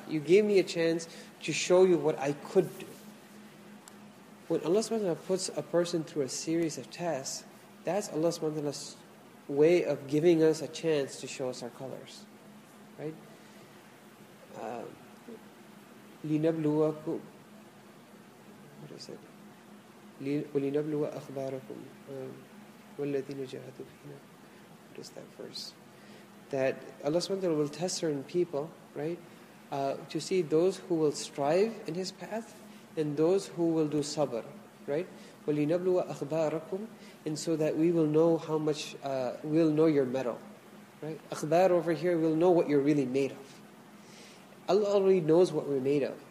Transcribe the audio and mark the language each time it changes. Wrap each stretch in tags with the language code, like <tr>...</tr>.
<en>You gave me a chance to show you what I could do. When Allah subhanahu wa ta'ala puts a person through a series of tests, that's Allah subhanahu wa ta'ala's way of giving us a chance to show us our colors, right?</en> <ar>لِنَبْلُوَكُمْ</ar> <en>What is it?</en> <ar>وَلِنَبْلُوَ أَخْبَارَكُمْ وَالَّذِينَ جَاهَدُوا فِينَا</ar> <en>What is that verse? That Allah subhanahu wa ta'ala will test certain people, right? To see those who will strive in His path, and those who will do sabr, right?</en> <ar>وَلِنَبْلُوَ أَخْبَارَكُمْ</ar> <en>And so that we will know how much, we'll know your metal, right? أَخْبَار over here, we'll know what you're really made of. Allah already knows what we're made of.</en>